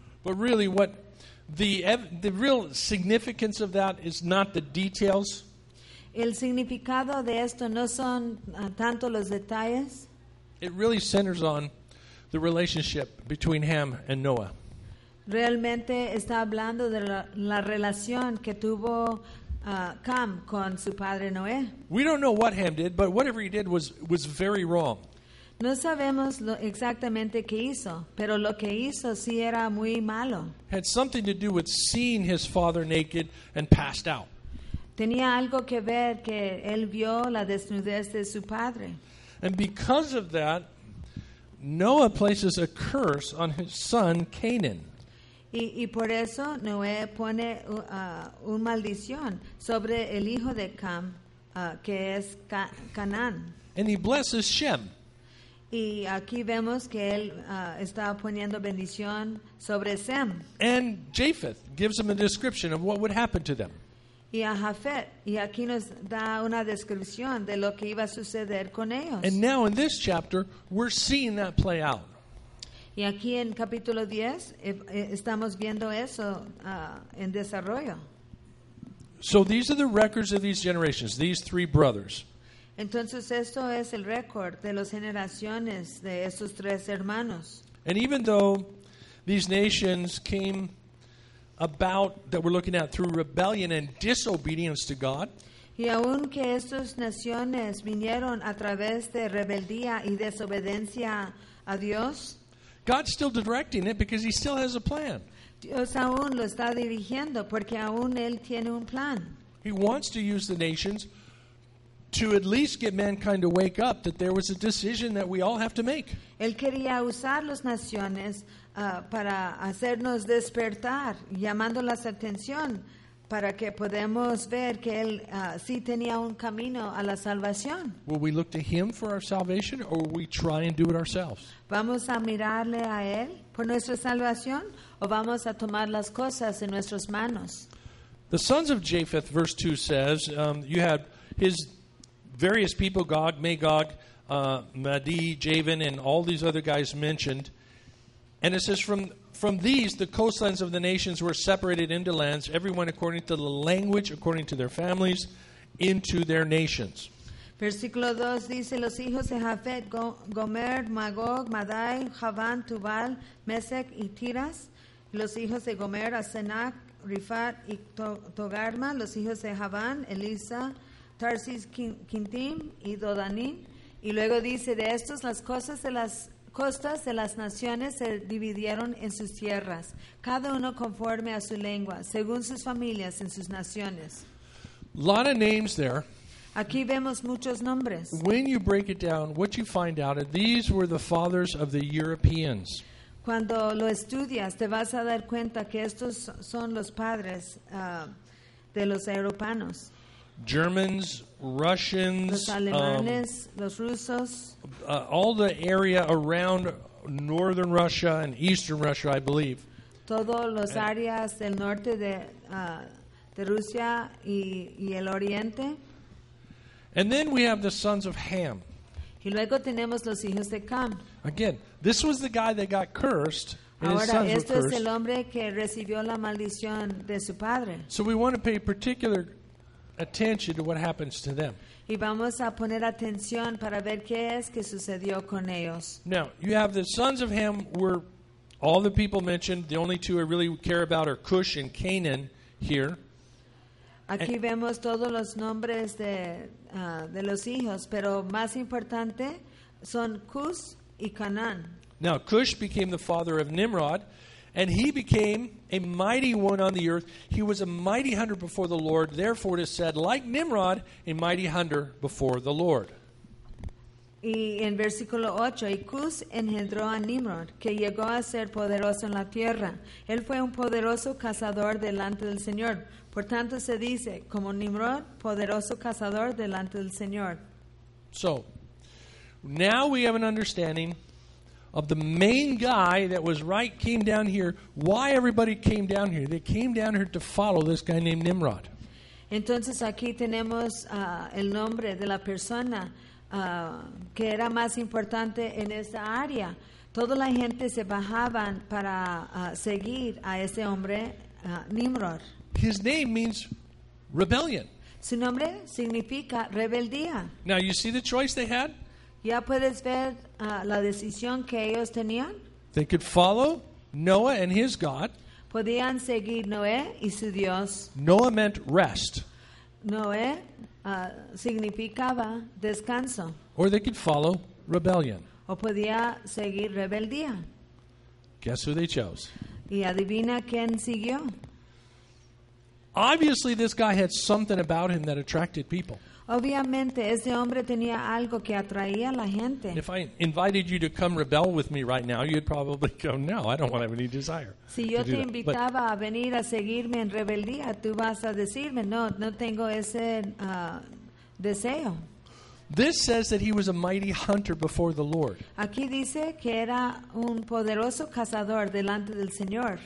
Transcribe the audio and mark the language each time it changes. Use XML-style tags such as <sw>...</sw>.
<en>But really what the real significance of that is not the details.</en> <es>El significado de esto no son tanto los detalles.</es> <en>It really centers on the relationship between Ham and Noah.</en> <es>Realmente está hablando de la relación que tuvo Ham con su padre Noé.</es> <en>We don't know what Ham did, but whatever he did was very wrong.</en> <es>No sabemos exactamente qué hizo, pero lo que hizo sí era muy malo.</es> <en>Had something to do with seeing his father naked and passed out.</en> <es>Tenía algo que ver que él vio la desnudez de su padre.</es> <en>And because of that, Noah places a curse on his son Canaan.</en> <es>Y por eso Noé pone una maldición sobre el hijo de Ham, que es Canaán.</es> <en>And he blesses Shem.</en> <es>Y aquí vemos que él está poniendo bendición sobre Shem.</es> <en>And Japheth gives him a description of what would happen to them.</en> <es>Y a Japheth, y aquí nos da una descripción de lo que iba a suceder con ellos.</es> <en>And now in this chapter, we're seeing that play out.</en> <es>Y aquí en capítulo 10 estamos viendo eso en desarrollo.</es> <en>So these are the records of these generations, these three brothers.</en> <es>Entonces esto es el récord de las generaciones de esos tres hermanos.</es> <en>And even though these nations came about that we're looking at through rebellion and disobedience to God,</en> <es>y aunque estas naciones vinieron a través de rebeldía y desobediencia a Dios,</es> <en>God's still directing it because he still has a plan.</en> <es>Dios aún lo está dirigiendo porque aún él tiene un plan.</es> <en>He wants to use the nations to at least get mankind to wake up that there was a decision that we all have to make.</en> <es>Él quería usar las naciones para hacernos despertar, llamando la atención para que podamos ver que él sí tenía un camino a la salvación.</es> <en>Will we look to him for our salvation, or will we try and do it ourselves?</en> <es>¿Vamos a mirarle a él por nuestra salvación o vamos a tomar las cosas en nuestras manos?</es> <en>The sons of Japheth, verse 2 says, you had his various people, Gog, Magog, Madi, Javan, and all these other guys mentioned. And it says, from these, the coastlands of the nations were separated into lands, everyone according to the language, according to their families, into their nations.</en> <es>Versículo 2 dice, los hijos de Japheth, Gomer, Magog, Madai, Javan, Tubal, Mesec y Tiras, los hijos de Gomer, Asenac, Rifat y Togarma, los hijos de Javan, Elisa, Tarsis, Quintim y Dodanim. Y luego dice, de estos, las cosas de las costas de las naciones se dividieron en sus tierras, cada uno conforme a su lengua, según sus familias en sus naciones.</es> <en>Lot of names there.</en> <es>Aquí vemos muchos nombres.</es> <en>When you break it down, what you find out is these were the fathers of the Europeans.</en> <es>Cuando lo estudias, te vas a dar cuenta que estos son los padres de los europeanos.</es> <en>Germans, Russians,</en> <es>los alemanes, los rusos,</es> <en>all the area around northern Russia and eastern Russia, I believe.</en> <es>Todos los áreas del norte de Rusia y el oriente.</es> <en>And then we have the sons of Ham.</en> <es>Y luego tenemos los hijos de Ham.</es> <en>Again, this was the guy that got cursed.</en> <es>Ahora, este es el hombre que recibió la maldición de su padre.</es> <en>So we want to pay particular attention to what happens to them.</en> <es>Y vamos a poner atención para ver qué es que sucedió con ellos.</es> <en>Now, you have the sons of Ham were all the people mentioned. The only two I really care about are Cush and Canaan here.</en> <es>Aquí vemos todos los nombres de los hijos, pero más importante son Cush y Canaan.</es> <en>Now, Cush became the father of Nimrod, and he became a mighty one on the earth. He was a mighty hunter before the Lord. Therefore, it is said, like Nimrod, a mighty hunter before the Lord.</en> <es>Y en versículo 8, y Cus engendró a Nimrod, que llegó a ser poderoso en la tierra. Él fue un poderoso cazador delante del Señor. Por tanto, se dice, como Nimrod, poderoso cazador delante del Señor.</es> <en>So, now we have an understanding of the main guy that was right, came down here. Why everybody came down here? They came down here to follow this guy named Nimrod.</en> <es>Entonces aquí tenemos el nombre de la persona que era más importante en esta área. Toda la gente se bajaban para seguir a ese hombre, Nimrod.</es> <en>His name means rebellion.</en> <es>Su nombre significa rebeldía.</es> <en>Now you see the choice they had?</en> <es>¿Ya puedes ver la decisión que ellos tenían?</es> <en>They could follow Noah and his God.</en> <es>Podían seguir Noé y su Dios.</es> <en>Noah meant rest.</en> <es>Noé significaba descanso.</es> <en>Or they could follow rebellion.</en> <es>O podía seguir rebeldía.</es> <en>Guess who they chose?</en> <es>¿Y adivina quién siguió?</es> <en>Obviously, this guy had something about him that attracted people.</en> <es>Obviamente, ese hombre tenía algo que atraía a la gente.</es> <en>If I invited you to come rebel with me right now, you'd probably go, no, I don't want to have any desire.</en> <es>Si yo te invitaba a venir a seguirme en rebeldía, tú vas a decirme, no, no tengo ese deseo.</es> <en>This says that he was a mighty hunter before the Lord.</en> <es>Aquí dice que era un poderoso cazador delante del Señor.</es>